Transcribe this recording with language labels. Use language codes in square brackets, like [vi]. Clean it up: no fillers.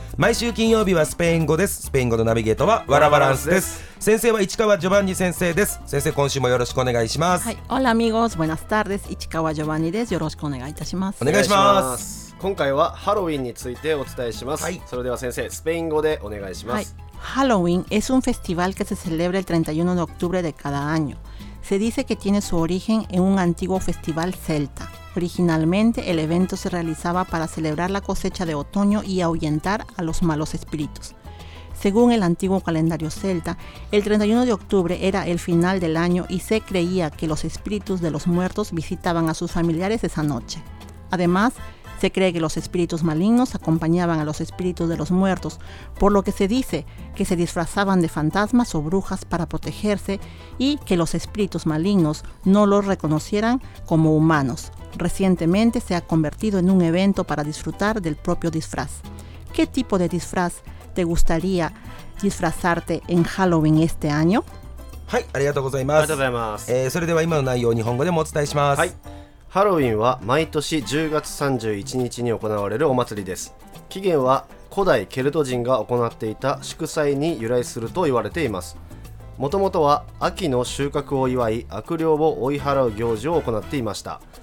[ja] 毎週金曜日はスペイン語です。スペイン語のナビゲートはワラバランスです。先生は市川ジョバンニ先生です。先生、今週もよろしくお願いします。はい、 [es] オラミゴス、ブエナスタール [ja] です。市川ジョバンニです。よろしくお願いいたします。お願いします。今回はハロウィンについてお伝えします。はい、それでは先生、スペイン語でお願いします。 [es] ハロウィン es un festival que se celebra el 31 de octubre de cada año. Se dice que tiene su origen en un antiguo festival celta. Originalmente el evento se realizaba para celebrar la cosecha de otoño y ahuyentar a los malos espíritus. Según el antiguo calendario celta, el 31 de octubre era el final del año y se creía que los espíritus de los muertos visitaban a sus familiares esa noche. Además, se cree que los espíritus malignos acompañaban a los espíritus de los muertos, por lo que se dice que se disfrazaban de fantasmas o brujas para protegerse y que los espíritus malignos no los reconocieran como humanos. Recientemente se ha convertido en un evento para disfrutar del propio disfraz. ¿Qué tipo de disfraz te gustaría disfrazarte en Halloween este año? Sí, gracias. Gracias. Entonces, ahora el contenido en español. Sí. [ja] ハロウィンは毎年10月31日に行われるお祭りです。起源は古代ケルト人が行っていた祝祭に由来すると言われています。もともとは秋の収穫を祝い、悪霊を追い払う行事を行っていました。